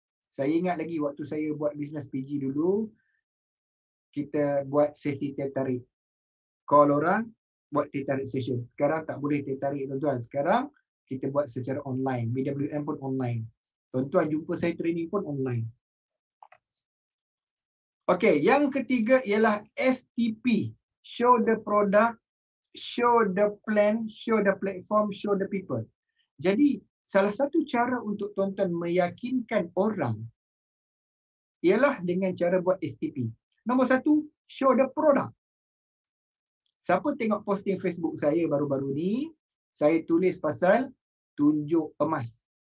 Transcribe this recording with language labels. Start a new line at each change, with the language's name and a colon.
Malay: Saya ingat lagi waktu saya buat bisnes PG dulu, kita buat sesi teh tarik. Call orang, buat teh tarik session. Sekarang tak boleh teh tarik tuan-tuan. Sekarang kita buat secara online. BWM pun online. Tuan-tuan jumpa saya training pun online. Okay, yang ketiga ialah STP.
English: Show the product, show the plan, show the platform, show the people.
Malay: Jadi, salah satu cara untuk tuan-tuan meyakinkan orang ialah dengan cara buat STP. Nombor satu,
English: show the product.
Malay: Siapa tengok posting Facebook saya baru-baru ni, saya tulis pasal tunjuk emas.